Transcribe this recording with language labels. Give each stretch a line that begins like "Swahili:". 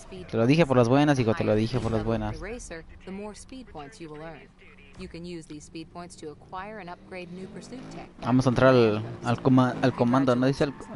Spanish: Te lo dije por las buenas, hijo, te lo dije por las buenas.
English: Racer, the more speed points you will earn. You can use these speed points to acquire and upgrade new pursuit tech.
Spanish: Vamos a entrar al comando, ¿no? Dice el...